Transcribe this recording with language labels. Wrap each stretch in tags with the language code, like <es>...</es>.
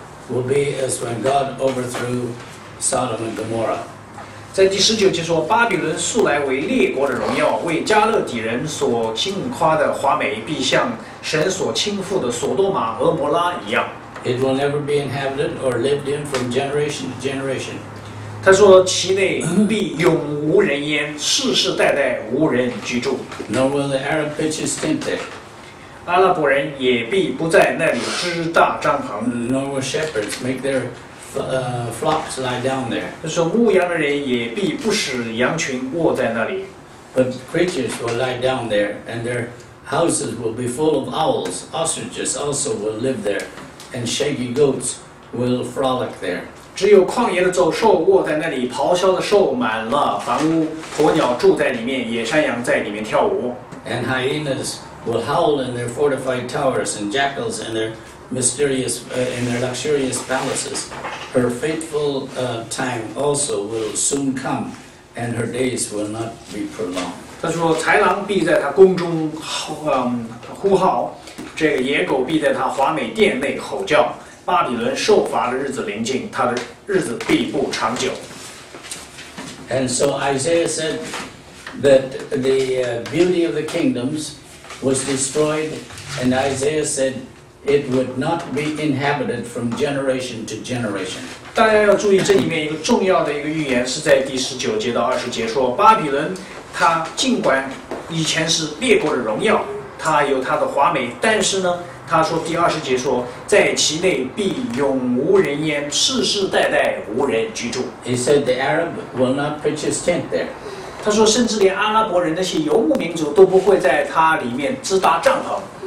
<en>will be as when God overthrew Sodom and Gomorrah.</en> <zh>在第十九节说，巴比伦素来为列国的荣耀，为加勒底人所轻夸的华美，必像神所轻覆的索多玛、俄摩拉一样。</zh> <en>It will never be inhabited or lived in from generation to generation.</en> <zh>他说其内必永无人烟，世世代代无人居住。</zh> <en>Nor will the Arab pitch his tent there.</en> <zh>阿拉伯人也必不在那里支大帐篷。</zh> <en>Nor will shepherds make their flocks lie down there.</en> <zh>他说牧羊的人也必不使羊群卧在那里。</zh> <en>But creatures will lie down there, and their houses will be full of owls. Ostriches also will live there. And shaggy goats will frolic there.</en> <zh>只有旷野的走兽卧在那里，咆哮的兽满了房屋，鸵鸟住在里面，野山羊在里面跳舞。</zh> <en>And hyenas will howl in their fortified towers, and jackals in their mysterious, in their luxurious palaces. Her fateful time also will soon come, and her days will not be prolonged.</en> <zh>他说，豺狼必在他宫中呼号。这个野狗必在他华美殿内吼叫，巴比伦受罚的日子临近，他的日子必不长久。</zh> <en>And so Isaiah said that the beauty of the kingdoms was destroyed, and Isaiah said it would not be inhabited from generation to generation.</en> <zh>大家要注意，这里面一个重要的一个预言是在第十九节到二十节说，巴比伦他尽管以前是列国的荣耀。他有他的华美，但是呢，他说第二十节说，在其内必永无人烟，世世代代无人居住。</zh> <en>He said the Arab will not pitch his tent there.</en> <zh>他说，甚至连阿拉伯人那些游牧民族都不会在他里面支搭帐篷。</zh>